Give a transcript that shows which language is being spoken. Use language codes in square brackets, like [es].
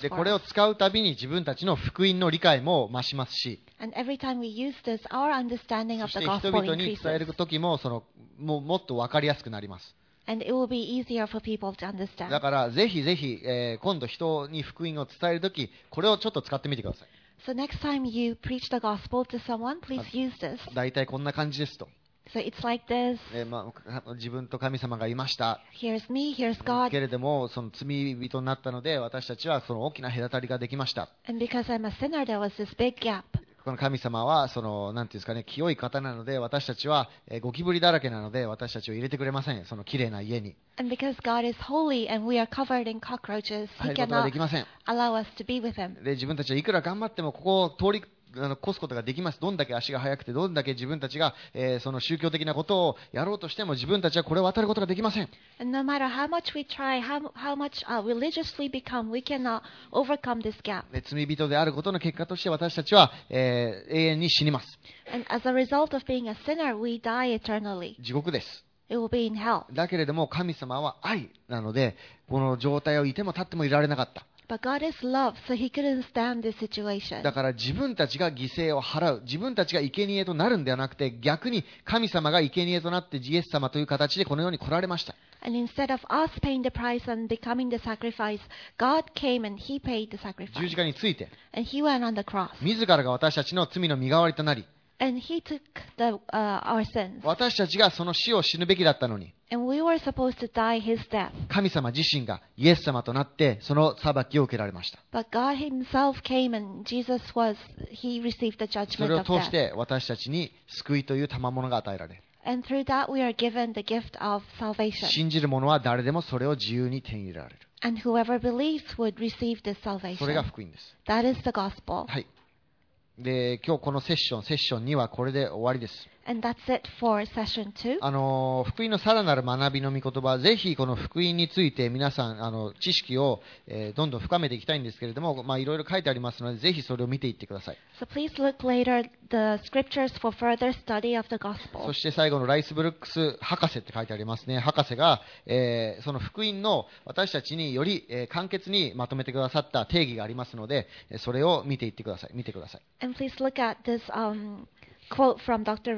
[ja] で、これを使うたびに自分たちの福音の理解も増しますし。 [en] And every time we use this, our understanding of the gospel increases. [ja] そして人々に伝えるときも、その、もっと分かりやすくなります。 [en] And it will be easier for people to understand. [ja] だから、ぜひぜひ、今度人に福音を伝えるとき、これをちょっと使ってみてください。 [en] So next time you preach the gospel to someone, please use this. [ja] だいたいこんな感じですと。 [en] So it's like this. [ja] まあ、自分と神様がいました。 [en] Here's me, here's God. [ja] けれども、その罪人になったので、私たちはその大きな隔たりができました。 [en] And because I'm a sinner, there was this big gap. [ja] この神様は、その、なんていうんですかね、清い方なので、私たちは、ゴキブリだらけなので、私たちを入れてくれません。その綺麗な家に。 [en] And because God is holy and we are covered in cockroaches, He cannot allow us to be with Him. [ja] で、自分たちはいくら頑張っても、ここを通り、越すことができます。どんだけ足が速くてどんだけ自分たちが、その宗教的なことをやろうとしても自分たちはこれを渡ることができません。 [en] No matter how much we try, how much religiously become, we cannot overcome this gap. [ja] で、罪人であることの結果として私たちは、永遠に死にます。 [en] And as a result of being a sinner, we die eternally. [ja] 地獄です。 [en] It will be in hell. [ja] だけれども神様は愛なので、この状態をいても立ってもいられなかった。 [en] But God is love, so He couldn't stand this situation. [ja] だから自分たちが犠牲を払う、自分たちが生贄となるんではなくて、逆に神様が生贄となってイエス様という形でこの世に来られました。 [en] And instead of us paying the price and becoming the sacrifice, God came and He paid the sacrifice. [ja] 十字架について。 [en] And He went on the cross. [ja] 自らが私たちの罪の身代わりとなり。 [en] And He took the, our sins. [ja] 私たちがその死を死ぬべきだったのに。 [en] And we were supposed to die His death. [ja] 神様自身がイエス様となってその裁きを受けられました。 [en] But God Himself came and Jesus was, He received the judgment of death. [ja] それを通して私たちに救いという賜物が与えられ。 [en] And through that we are given the gift of salvation. [ja] 信じる者は誰でもそれを自由に手に入れられる。 [en] And whoever believes would receive this salvation. [ja] それが福音です。 [en] That is the gospel. [ja] はい。で、今日このセッション2はこれで終わりです。 [en] And that's it for session two. [ja] 福音のさらなる学びの御言葉、ぜひこの福音について皆さん知識を、どんどん深めていきたいんですけれども、まあ、いろいろ書いてありますので、ぜひそれを見ていってください。 [en] So please look later the scriptures for further study of the gospel. [ja] そして最後のライス・ブルックス博士って書いてありますね。博士が、その福音の私たちにより、簡潔にまとめてくださった定義がありますので、それを見ていってください。見てください。 [en] And please look at this, quote from Dr.